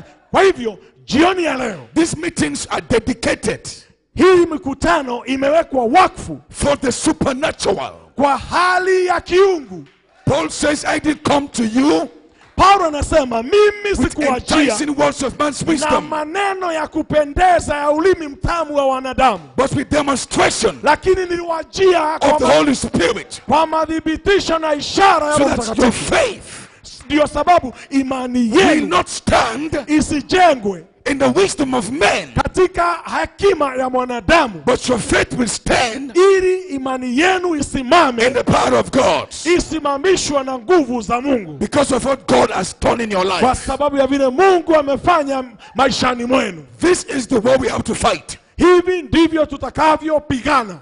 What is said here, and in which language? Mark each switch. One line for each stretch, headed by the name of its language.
Swahili: kwa hivyo jioni ya leo,
English: these meetings are dedicated.
Swahili: Hii mikutano imewekwa wakfu
English: for the supernatural.
Swahili: Kwa hali ya kiungu.
English: Paul says, I did come to you.
Swahili: Paul anasema mimi sikuwajia
English: with enticing words of man's wisdom.
Swahili: Na maneno ya kupendeza ya ulimi mtamu wa wanadamu.
English: But with demonstration.
Swahili: Lakini niliwajia
English: kwa of the Holy Spirit.
Swahili: Kwa madhibitisho na ishara ya
English: Roho Mtakatifu. So that's your faith.
Swahili: Ndio sababu imani yenu
English: will not stand.
Swahili: Isijengwe
English: in the wisdom of men.
Swahili: Katika hakima ya mwanadamu.
English: But your faith will stand.
Swahili: Ili imani yenu isimame.
English: In the power of God.
Swahili: Isimamishwa na nguvu za Mungu.
English: Because of what God has done in your life.
Swahili: Kwa sababu ya vile Mungu amefanya maishani mwenu.
English: This is the war we have to fight.
Swahili: Hivi ndivyo tutakavyo pigana.